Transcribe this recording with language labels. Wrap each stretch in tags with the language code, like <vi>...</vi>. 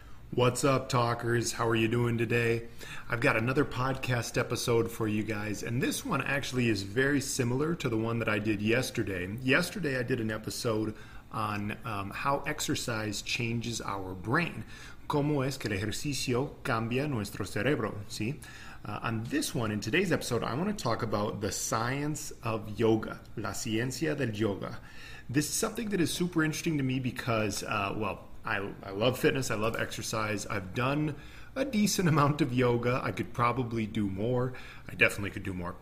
<en>What's up, talkers? How are you doing today? I've got another podcast episode for you guys, and this one actually is very similar to the one that I did yesterday. Yesterday, I did an episode on how exercise changes our brain.</en> <es>¿Cómo es que el ejercicio cambia nuestro cerebro? ¿Sí?</es> <en>On this one, in today's episode, I want to talk about the science of yoga,</en> <es>la ciencia del yoga.</es> <en>This is something that is super interesting to me because, I love fitness, I love exercise. I've done a decent amount of yoga. I could probably do more. I definitely could do more.</en>